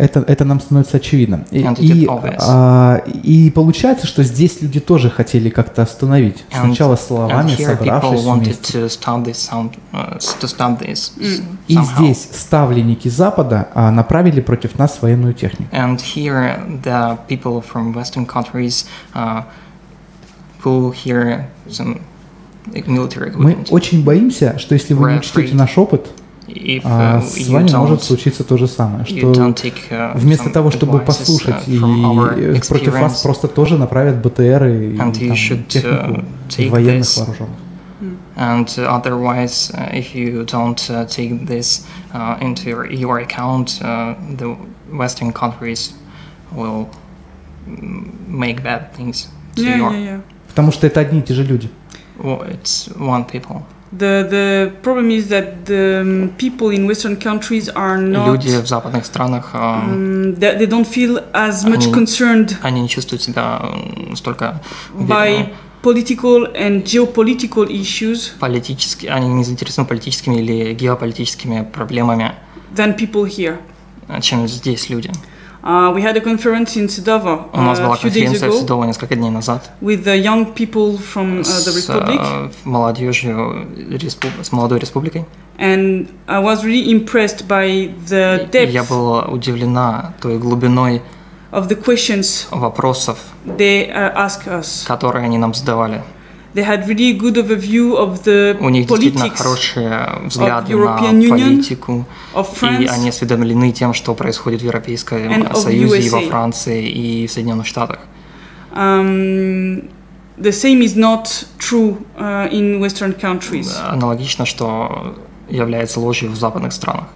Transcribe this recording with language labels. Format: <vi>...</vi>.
<ru>Это нам становится очевидным. И получается, что здесь люди тоже хотели как-то остановить. Сначала словами, собравшись вместе. И здесь ставленники Запада направили против нас военную технику.</ru> <en>And here the people from Western countries pull here some military equipment.</en> <ru>Мы очень боимся, что если вы не учтете наш опыт, с вами может случиться то же самое, что вместо того, чтобы послушать и против вас просто тоже направят БТР и технику военных вооруженных.</ru> <en>And otherwise, if you don't take this into your account, the Western countries will make bad things to you.</en> <ru>Потому что это одни и те же люди.</ru> <en>Well, it's one people. The problem is that the people in Western countries are not.</en> <ru>Люди в западных странах.</ru> <en>They don't feel as much concerned.</en> <ru>Они не чувствуют себя столько.</ru> <en>By political and geopolitical issues.</en> <ru>Политически они не заинтересованы политическими или геополитическими проблемами.</ru> <en>Than people here.</en> <ru>Чем здесь люди.</ru> <en>We had a conference in Sedava</en> <ru>у нас была конференция в Седово несколько дней назад</ru> <en>with the young people from the Republic.</en> <ru>С молодой республикой.</ru> <en>And I was really impressed by the depth.</en> <ru>Я была удивлена той глубиной</ru> <en>of the questions</en> <ru>вопросов,</ru> <en>they ask us.</en> <ru>Которые они нам задавали.</ru> <en>They had really good overview of the</en> <ru>у них действительно хорошие взгляды на политику,</ru> <en>France,</en> <ru>и они осведомлены тем, что происходит в Европейском Союзе</ru> <en>USA.</en> <ru>И во Франции и в Соединенных Штатах.</ru> <en>The same is not true in Western countries.</en> <ru>Аналогично, что является ложью в западных странах.</ru>